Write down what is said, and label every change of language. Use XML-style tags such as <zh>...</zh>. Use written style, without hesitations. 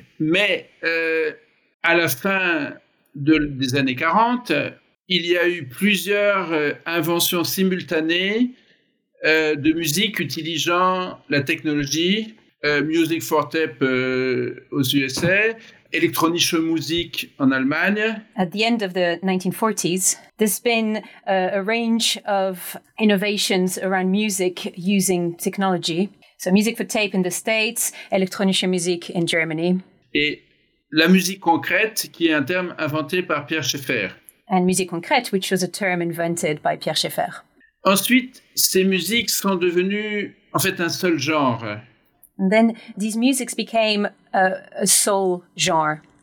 <fr>Mais à la fin des années 40, il y a eu plusieurs inventions simultanées de musique utilisant la technologie Music for Tape aux USA, Electronische Musik en Allemagne.</fr> <en>At the end of the 1940s, there's been a range of innovations around music using technology. So Music for Tape in the States, Electronische Musik in Germany.</en> <fr>Et la musique concrète, qui est un terme inventé par Pierre Schaeffer.</fr> <en>And musique concrète, which was a term invented by Pierre Schaeffer.</en> <fr>Ensuite, ces musiques sont devenues, en fait, un seul genre.</fr> <en>And then these musics became a soul genre.</en>